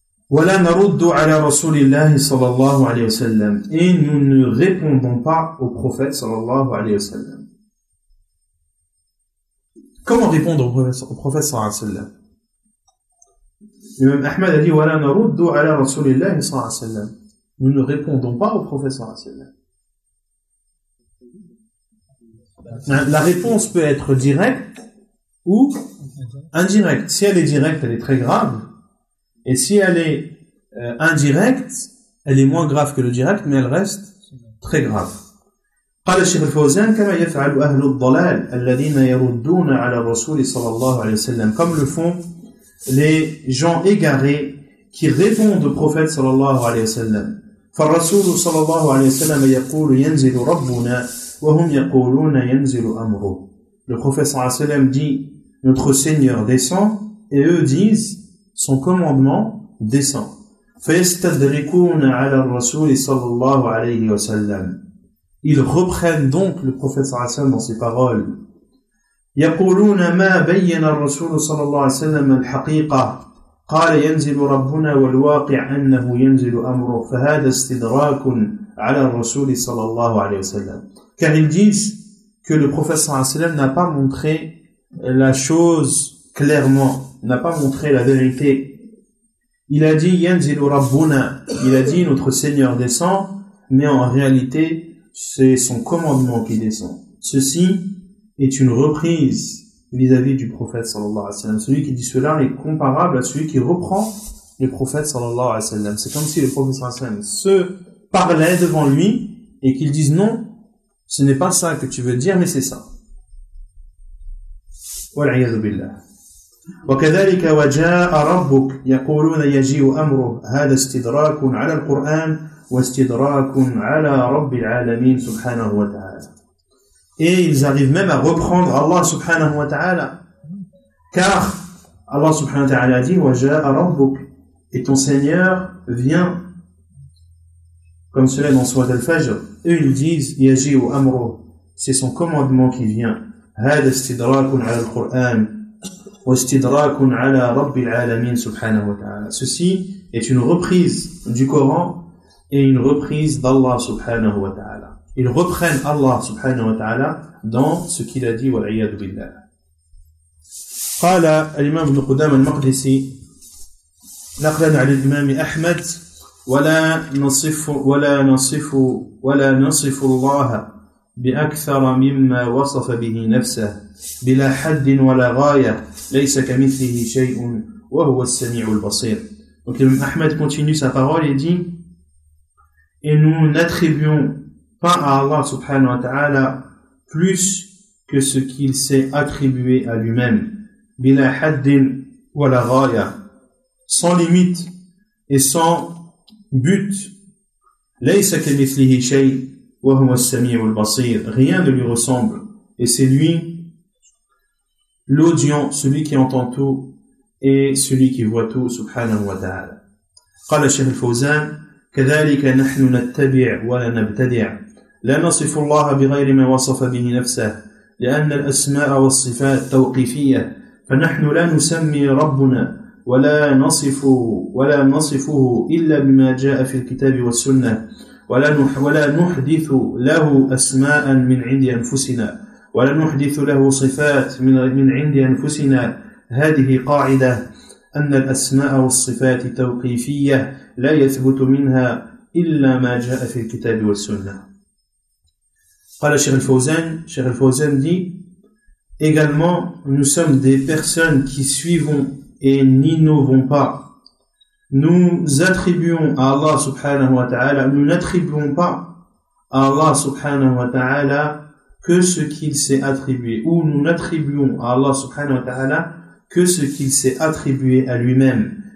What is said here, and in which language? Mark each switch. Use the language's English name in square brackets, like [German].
[Arabic] وَلَا نَرُدُّ عَلَى رَسُولِ اللَّهِ صَلَى اللَّهُ عَلَيْهِ وَسَلَّمُ. [French] Et nous ne répondons pas au prophète sallallahu alayhi wa sallam. Comment répondre au prophète sallallahu alayhi wa sallam? L'imam Ahmad a dit [Arabic] وَلَا نَرُدُّ عَلَى رَسُولِ اللَّهِ صَلَى اللَّهُ عَلَيْهِ وَسَلَّمُ. [French] Nous ne répondons pas au prophète sallallahu alayhi wa sallam. La réponse peut être directe ou indirecte. Si elle est directe, elle est très grave. Et si elle est indirecte, elle est moins grave que le direct, mais elle reste très grave. [Arabic] قال الشيخ الفوزان كما يفعل أهل الضلال الذين يردون على الرسول صلى الله عليه وسلم. [French] Comme le font les gens égarés qui répondent au prophète صلى الله عليه وسلم. [Arabic] فالرسول صلى الله عليه وسلم يقول ينزل ربنا. وهم يقولون ينزل أمره. [French] Le prophète صلى الله عليه وسلم dit notre Seigneur descend, et eux disent son commandement descend. [Arabic] فيستدركون على الرسول صلى الله عليه وسلم. [French] Ils reprennent donc le prophète صلى الله عليه وسلم dans ses paroles. [Arabic] يقولون ما بين الرسول صلى الله عليه وسلم الحقيقة قال ينزل ربنا والواقع أنه ينزل أمره فهذا استدراك على الرسول صلى الله عليه وسلم. [French] Car ils disent que le prophète sallallahu alayhi wa sallam n'a pas montré la chose clairement, n'a pas montré la vérité. Il a dit [Arabic] yanzilu rabbuna, [French] il a dit notre Seigneur descend, mais en réalité c'est son commandement qui descend. Ceci est une reprise vis-à-vis du prophète sallallahu alayhi wa sallam. Celui qui dit cela est comparable à celui qui reprend le prophète sallallahu alayhi wa sallam. C'est comme si le prophète sallallahu alayhi wa sallam se parlait devant lui et qu'il dise non, Ce n'est pas ça que tu veux dire, mais c'est ça. [Arabic] والعياذ بالله. وكذلك وجاء ربك يقولون يجيء أمره هذا استدراك على القرآن واستدراك على رب العالمين سبحانه وتعالى. [French] Et ils arrivent même à reprendre Allah subhanahu wa ta'ala. Car Allah subhanahu wa ta'ala dit [Arabic] وَجَاءَ رَبُّكَ. [French] Et ton Seigneur vient, comme cela dans Sourate Al-Fajr. Eux ils disent [Arabic] يَجِيءُ أَمْرُهُ. [French] C'est son commandement qui vient. [Arabic] هَذَا اسْتِدْرَاكٌ عَلَى الْقُرْآنِ وَاسْتِدْرَاكٌ عَلَى رَبِّ الْعَالَمِينَ سُبْحَانَهُ وَتَعَالَى. [French] Ceci est une reprise du Coran et une reprise d'Allah subhanahu wa ta'ala. Ils reprennent Allah subhanahu wa ta'ala dans ce qu'il a dit, wal'iyadu billah. [Arabic] قال الإمام ابن قدامة المقدسي نقلا عن الإمام أحمد ولا نصف الله بأكثر مما وصف به نفسه بلا حد ولا غاية ليس كمثله شيء وهو السميع البصير. [French] Donc l'imam Ahmed continue sa parole et dit: et nous n'attribuons pas à Allah subhanahu wa ta'ala plus que ce qu'il s'est attribué à lui-même. [Arabic] بلا حد ولا غاية, [French] sans limite et sans but. [Arabic] ليس كمثله شيء وهو السميع البصير, [French] rien ne lui ressemble et c'est lui l'audient, celui qui entend tout et celui qui voit tout سبحانه وتعالى. [Arabic] قال الشيخ الفوزان كذلك نحن نتبع ولا نبتدع لا نصف الله بغير ما وصف به نفسه لأن الأسماء والصفات توقيفية فنحن لا نسمي ربنا ولا نصفه إلا بما جاء في الكتاب والسنة ولا نحدث له أسماء من عند أنفسنا ولا نحدث له صفات من عند أنفسنا. هذه قاعدة أن الأسماء والصفات توقيفية لا يثبت منها إلا ما جاء في الكتاب والسنة. قال الشيخ الفوزان [French] دي également, nous sommes des personnes qui suivons et n'innovons pas. Nous attribuons à Allah subhanahu wa ta'ala, nous n'attribuons pas à Allah subhanahu wa ta'ala que ce qu'il s'est attribué, ou nous n'attribuons à Allah subhanahu wa ta'ala que ce qu'il s'est attribué à lui-même.